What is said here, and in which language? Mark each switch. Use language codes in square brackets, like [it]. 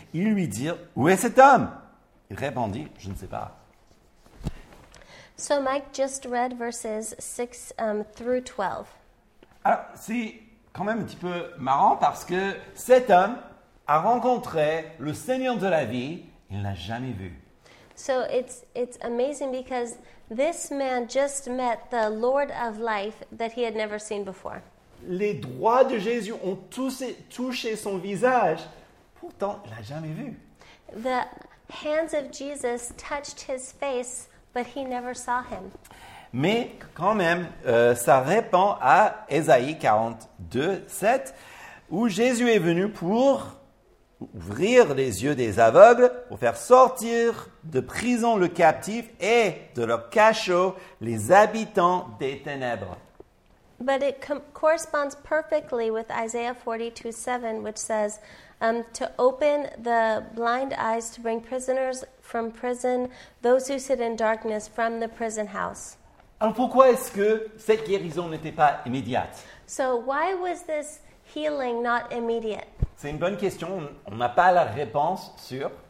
[fr] Il lui dit, où est cet homme? Il répondit, je ne sais pas. [en] So Mike just read verses 6 through 12. [fr] Alors, c'est quand même un petit peu marrant parce que cet homme a rencontré le Seigneur de la vie. Il l'a jamais vu. [en] So it's amazing because this man just met the Lord of life that he had never seen before. [fr] Les doigts de Jésus ont touché son visage. Pourtant, il n'a jamais vu. [en] The hands of Jesus touched his face, but he never saw him. [fr] Mais quand même, ça répond à Ésaïe 42, 7, où Jésus est venu pour ouvrir les yeux des aveugles, pour faire sortir de prison le captif et de leur cachot les habitants des ténèbres. [en] But it corresponds perfectly with Isaiah 42, 7, which says, to open the blind eyes, to bring prisoners from prison, those who sit in darkness from the prison house. [fr] Alors pourquoi est-ce que cette guérison n'était pas immédiate? [en] So why was this healing not immediate? [fr] C'est une bonne question, on n'a pas la réponse sûre.